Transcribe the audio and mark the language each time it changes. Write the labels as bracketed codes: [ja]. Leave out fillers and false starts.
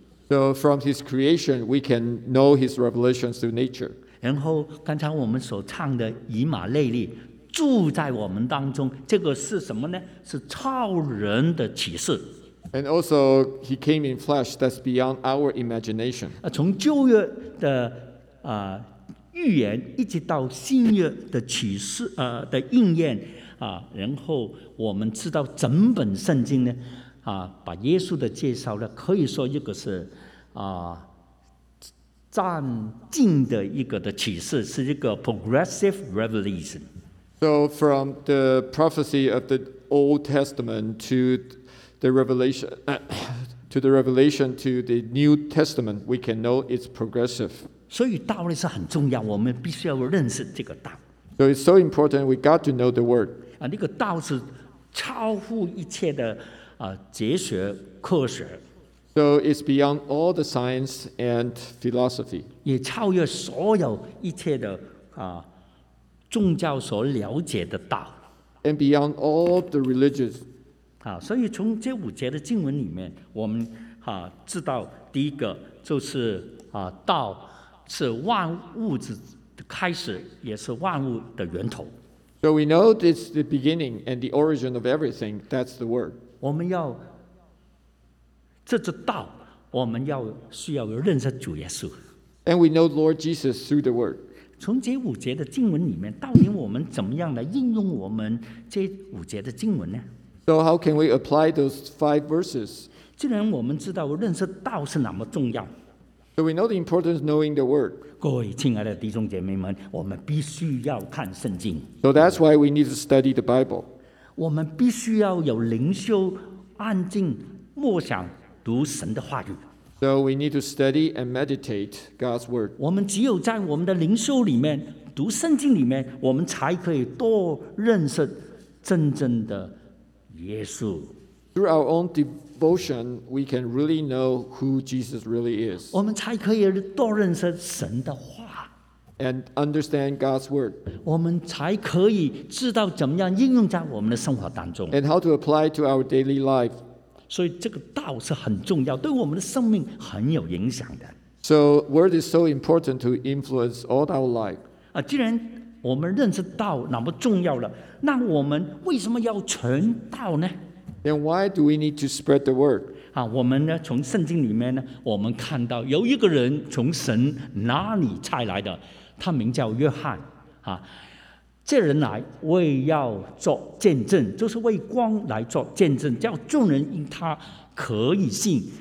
[en] So from his creation, we can know his revelations through nature. [zh] 然后刚才我们所唱的以马内利，住在我们当中，这个是什么呢？是超人的启示。 [en] And also, he came in flesh. That's beyond our imagination. [zh] 从旧约的预言，一直到新约的启示的应验然后我们知道整本圣经呢把耶稣的介绍呢，可以说一个是渐进的一个的启示，是一个 progressive revelation。 [en] So from the prophecy of the Old Testament to the revelation, to the revelation to the New Testament, we can know it's progressive. [zh] 所以道理是很重要，我们必须要认识这个道。 [en] So it's so important. We got to know the word. [zh] 那个道是超乎一切的哲学科学。 [en] So it's beyond all the science and philosophy. [zh] 也超越所有一切的宗教所了解的道。 [en] And beyond all the religious. [zh] 所以从这五节的经文里面，我们知道第一个就是道是万物的开始，也是万物的源头。 [en] So we know it's the beginning and the origin of everything. That's the word. [zh] 我们要这是道，我们要需要认识主耶稣。 [en] And we know Lord Jesus through the word. [zh] 从这五节的经文里面，到底我们怎么样来应用我们这五节的经文呢？ [en] So how can we apply those five verses? [zh] 既然我们知道认识道是那么重要， [en] So we know the importance of knowing the word. [zh] 各位亲爱的弟兄姐妹们，我们必须要看圣经。 [en] So that's why we need to study the Bible. [zh] 我们必须要有灵修，安静默想读神的话语。 [en] So we need to study and meditate God's word. [zh] 我们只有在我们的灵修里面，读圣经里面，我们才可以多认识真正的耶稣。 [en] Through our own devotion, we can really know who Jesus really is. [zh] 我们才可以多认识神的话。 [en] And understand God's word. [zh] 我们才可以知道怎么样应用在我们的生活当中。 [en] And how to apply to our daily life. [zh] 所以这个道是很重要，对我们的生命很有影响的。 [en] So word is so important to influence all our life. [zh] 既然我们认识道那么重要了，那我们为什么要传道呢？ [en] Then why do we need to spread the word? [zh] 我们呢，从圣经里面呢，我们看到有一个人从神哪里差来的，他名叫约翰。这人来为要做见证，就是为光来做见证，叫众人因他可以信。